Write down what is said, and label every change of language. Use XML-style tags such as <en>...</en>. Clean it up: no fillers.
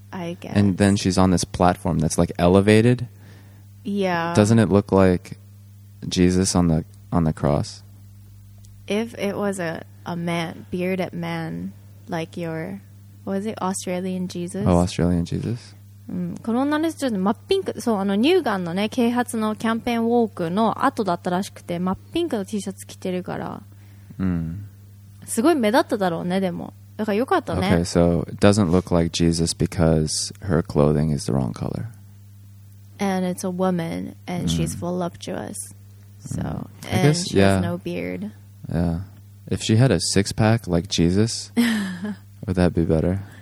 <en>I guess. And then she's on this platform that's like elevated. Yeah. Doesn't it look like Jesus on the cross? If it was a man, bearded man, like your, what is it, Australian Jesus? Oh, Australian Jesus.</en> <ja>この女の人は真っピンク、そう、あの乳がんのね、啓発のキャンペーンウォークの後だったらしくて、真っピンクの T シャツ着てるから、すごい目立っただろうね、でも。だからよかったね。</ja> <en>Okay, so it doesn't look like Jesus because her clothing is the wrong color. And it's a woman, and she's voluptuous. So, and I guess, she has no beard. Yeah. If she had a six pack like Jesus, would that be better?</en>